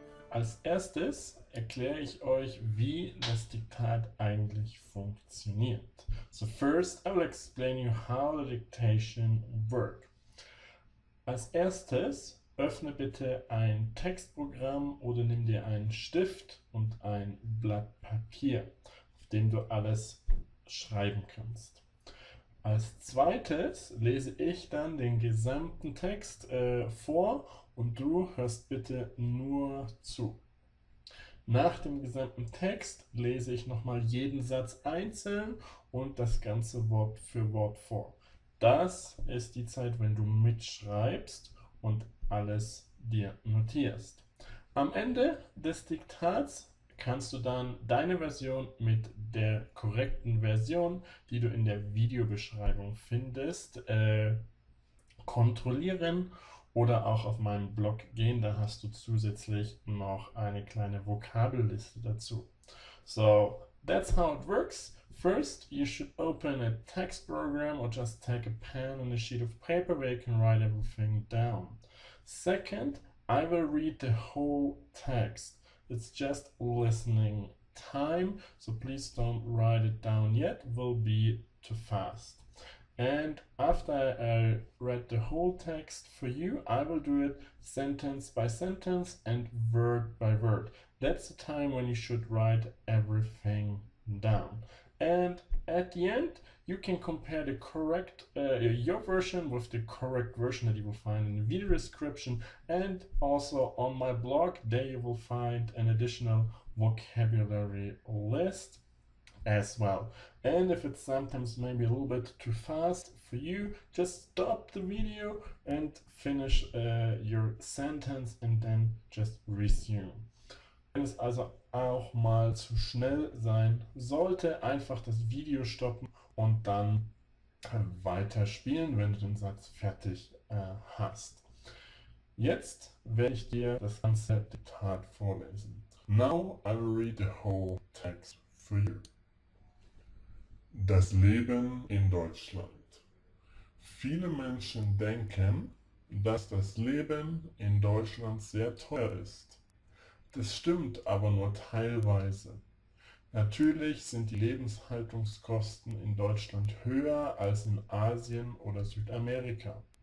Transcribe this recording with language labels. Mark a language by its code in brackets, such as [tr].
[de] Als erstes erkläre ich euch, wie das Diktat eigentlich funktioniert. [en] So first, I will explain you how the dictation work. [de] Als erstes öffne bitte ein Textprogramm oder nimm dir einen Stift und ein Blatt Papier, auf dem du alles schreiben kannst. Als zweites lese ich dann den gesamten Text vor und du hörst bitte nur zu. Nach dem gesamten Text lese ich nochmal jeden Satz einzeln und das ganze Wort für Wort vor. Das ist die Zeit, wenn du mitschreibst und alles dir notierst. Am Ende des Diktats kannst du dann deine Version mit der korrekten Version, die du in der Videobeschreibung findest, kontrollieren oder auch auf meinen Blog gehen. Da hast du zusätzlich noch eine kleine Vokabelliste dazu. [en] So, that's how it works. First, you should open a text program or just take a pen and a sheet of paper where you can write everything down. Second, I will read the whole text. It's just listening time, so please don't write it down yet, will be too fast. And after I read the whole text for you, I will do it sentence by sentence and word by word. That's the time when you should write everything down. And at the end, you can compare the correct your version with the correct version that you will find in the video description and also on my blog. There you will find an additional vocabulary list as well. And if it's sometimes maybe a little bit too fast for you, just stop the video and finish your sentence and then just resume. [de] Wenn es also auch mal zu schnell sein sollte, einfach das Video stoppen und dann weiterspielen, wenn du den Satz fertig hast. Jetzt werde ich dir das ganze Diktat vorlesen. [en] Now I will read the whole text for you. [de] Das Leben in Deutschland. Viele Menschen denken, dass das Leben in Deutschland sehr teuer ist. Das stimmt aber nur teilweise. Natürlich sind die Lebenshaltungskosten in Deutschland höher als in Asien oder Südamerika.